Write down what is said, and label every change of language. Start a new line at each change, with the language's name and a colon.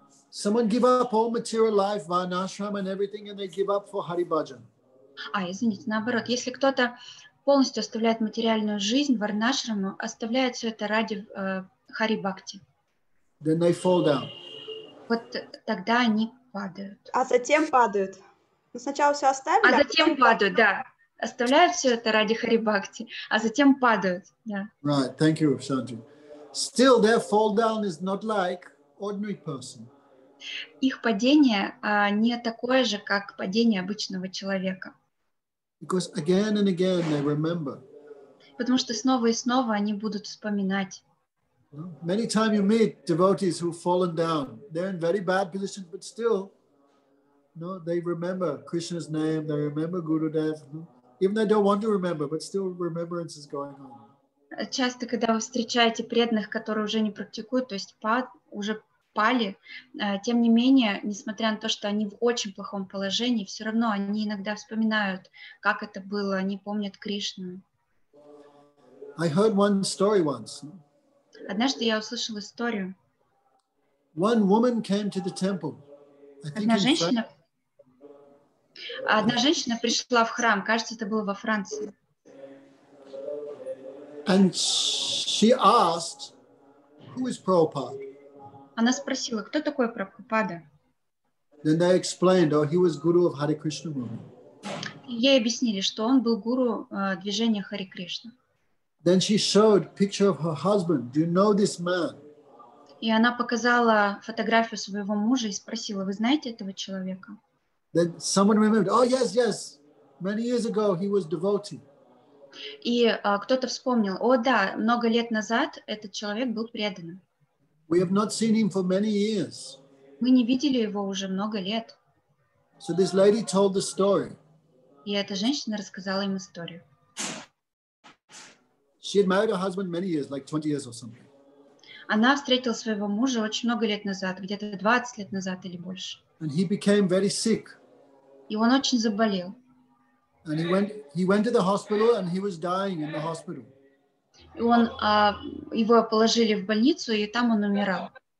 English: Someone give up all material life, varnashram and everything, and they give up for Hari Bhajan.
Russian: Извините, наоборот. Если кто-то полностью оставляет материальную жизнь, варнашраму, оставляет все это ради Хари Бхакти.
English: Then they fall down.
Russian: Вот тогда они падают. А затем падают. Но сначала все оставили. А затем падают, да. Оставляют все это ради Хари Бхакти, а затем падают. Да.
English: Right, thank you, Shanti. Still, their fall down is not like ordinary person.
Russian: Их падение не такое же, как падение обычного человека.
English: Because again and again they remember.
Russian: Потому что снова и снова они будут вспоминать.
English: Many times you meet devotees who've fallen down. They're in very bad positions, but still, no, they remember Krishna's name. They remember Gurudev. Even they don't want to remember, but still remembrance is going on.
Russian: Часто, когда вы встречаете преданных, которые уже не практикуют, то есть уже пали, тем не менее, несмотря на то, что они в очень плохом положении, все равно они иногда вспоминают, как это было, они помнят Кришну.
English: I heard one story once.
Russian: Однажды я услышал историю.
English: One woman came to the temple.
Russian: Одна женщина пришла в храм, кажется, это было во Франции.
English: And she asked, who is Prabhupada?
Russian: Она спросила, кто такой Прабхупада?
English: Then they explained, oh, he was guru of Hare Krishna movement.
Russian: Ей объяснили, что он был гуру движения Хари Кришна.
English: Then she showed picture of her husband. Do you know this man?
Russian: И она показала фотографию своего мужа и спросила, вы знаете этого человека?
English: Then someone remembered, oh, yes, yes, many years ago he was devotee.
Russian: И кто-то вспомнил, о да, много лет назад этот человек был преданным.
English: We have not seen him for many years.
Russian: Мы не видели его уже много лет.
English: So this lady told the story.
Russian: И эта женщина рассказала им историю.
English: She had married her husband many years, like 20 years or something.
Russian: Она встретила своего мужа очень много лет назад, где-то 20 лет назад или больше.
English: And he became very sick.
Russian: И он очень заболел.
English: And he went to the hospital and he was dying in the hospital.
Russian: И он его положили в больницу, и там он умирал.